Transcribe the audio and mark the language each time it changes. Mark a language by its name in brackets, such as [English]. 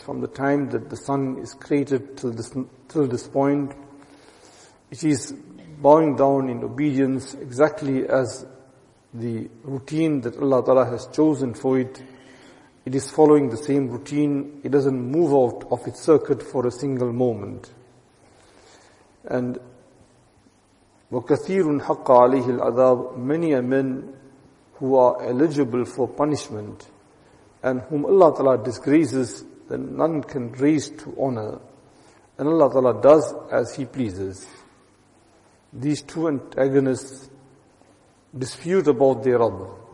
[English] From the time that the sun is created till this point, it is bowing down in obedience exactly as the routine that Allah Ta'ala has chosen for it. It is following the same routine. It doesn't move out of its circuit for a single moment. [Arabic] And وَكَثِيرٌ حَقَّ عَلَيْهِ الْعَذَابُ. [English] Many a men who are eligible for punishment and whom Allah Ta'ala disgraces, then none can raise to honor. And Allah Ta'ala does as He pleases. These two antagonists dispute about their Rabb.